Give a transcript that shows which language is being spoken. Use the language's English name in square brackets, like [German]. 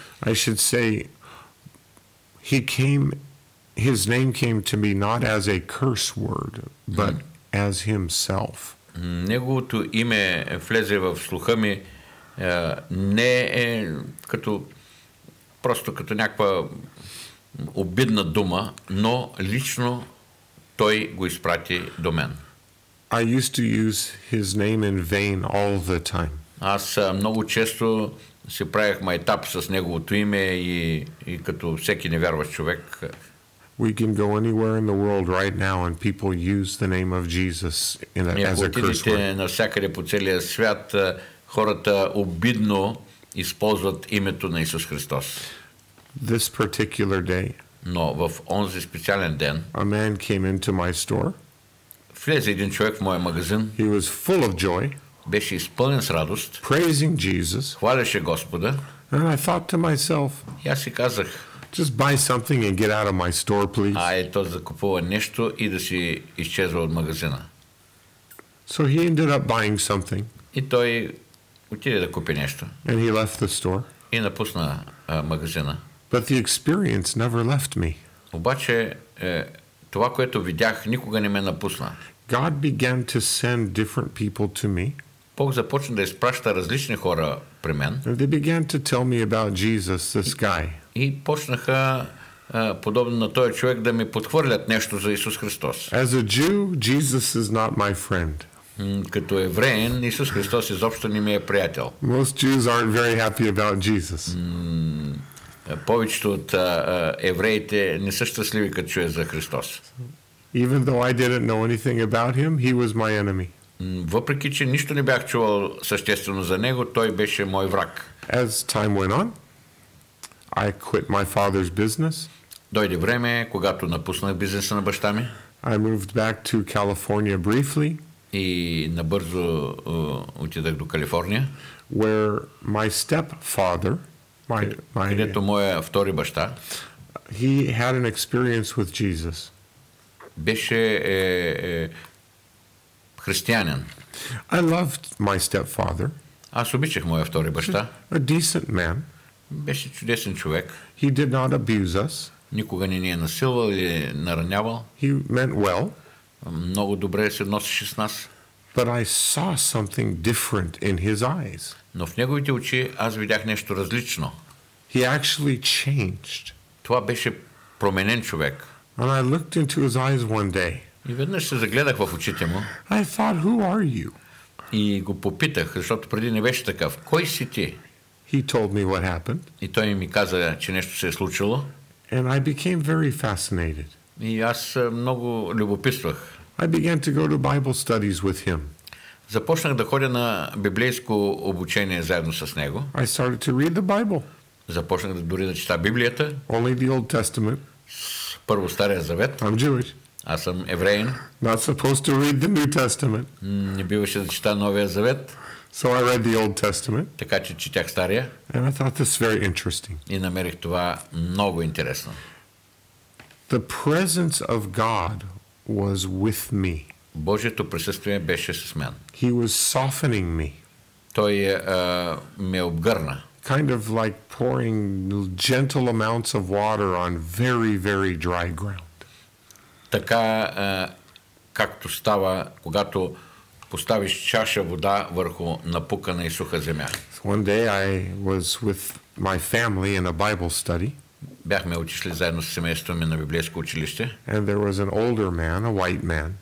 [English] I should say his name came to me not as a curse word, but as himself. [Bulgarian] Неговото име влезе в слуха ми не е като просто като някаква обидна дума, но лично той го изпрати до мен. [English] I used to use his name in vain all the time. [Bulgarian] Аз много често се правях майтап с неговото име и като всеки невярващ човек. [English] We can go anywhere in the world right now and people use the name of Jesus in a, as a curse word. [Bulgarian] Отидете навсякъде по целия свят, хората обидно използват името на Исус Христос. [English] This particular day, [Bulgarian] но в онзи специален ден, [English] a man came into my store. [Bulgarian] Влезе един човек в моя магазин. [English] He was full of joy. [Bulgarian] Беше изпълнен с радост. [English] Praising Jesus. [Bulgarian] Хвалеше Господа. [English] And I thought to myself, [Bulgarian] аз си казах, [English] just buy something and get out of my store, please. [Bulgarian] Ай, то закупува нещо и да си изчезва от магазина. [English] So he ended up buying something. [Bulgarian] И той отиде да купи нещо. [English] And he left the store. [Bulgarian] И напусна магазина. [English] But the experience never left me. [Bulgarian] Обаче това, което видях, никога не ме напусна. [English] God began to send different people to me. [Bulgarian] Бог започна да изпраща различни хора при мен. [English] And they began to tell me about Jesus, this guy. [Bulgarian] И почнаха подобно на този човек да ми подхвърлят нещо за Исус Христос. [English] As a Jew, Jesus is not my friend. [Bulgarian] Като евреен, Исус Христос изобщо не ми е приятел. [English] Most Jews aren't very happy about Jesus. [Bulgarian] Повечето от евреите не са щастливи, като чуят за Христос. [English] Even though I didn't know anything about him, he was my enemy. [Bulgarian] Въпреки че нищо не бях чувал съществено за него, той беше мой враг. [English] As time went on, I quit my father's business. [Bulgarian] Дойде време, когато напуснах бизнеса на баща ми. [English] I moved back to California briefly. [Bulgarian] И набързо отидах до Калифорния. [English] Where my stepfather, [Bulgarian] където моя втори баща, [English] he had an experience with Jesus. [Bulgarian] Беше християнин. [English] I loved my stepfather. [Bulgarian] Аз обичах моя втори баща. [English] A decent man. [Bulgarian] Беше чудесен човек. [English] He did not abuse us. [Bulgarian] Никога не ни е насилвал или наранявал. [English] He meant well. [Bulgarian] Много добре се носеше с нас. [English] But I saw something different in his eyes. [Bulgarian] Но в неговите очи аз видях нещо различно. [English] He actually changed. [Bulgarian] Това беше променен човек. [English] And I looked into his eyes one day. [Bulgarian] И веднъж се загледах в очите му. [English] I thought, who are you? [Bulgarian] И го попитах, защото преди не беше такъв. Кой си ти? [English] He told me what happened. [Bulgarian] И той ми каза, че нещо се е случило. [English] And I became very fascinated. [Bulgarian] И аз много любопитствах. [English] I began to go to Bible studies with him. [Bulgarian] Започнах да ходя на библейско обучение заедно с него. [English] I started to read the Bible. [Bulgarian] Започнах да дори да чета Библията. [English] Only the Old Testament. [Bulgarian] Първо Стария Завет. [English] I'm Jewish. [Bulgarian] Аз съм евреин. [English] Not supposed to read the New Testament. [Bulgarian] Не биваше да чета Новия Завет. [English] So I read the Old Testament. [Bulgarian] Така че четях Стария. [English] And I thought this very interesting. [Bulgarian] И намерих това много интересно. [English] The presence of God was with me. [Bulgarian] Божието присъствие беше с мен. [English] He was softening me. [Bulgarian] Той ме обгърна. [English] Kind of like pouring gentle amounts of water on very, very dry ground. [Bulgarian] Така както става, когато поставиш чаша вода върху напукана и суха земя. [English] One day I was with my family in a Bible study. [Bulgarian] Бяхме учили заедно с семейството ми на библейско училище. [English] And there was an older man, a white man.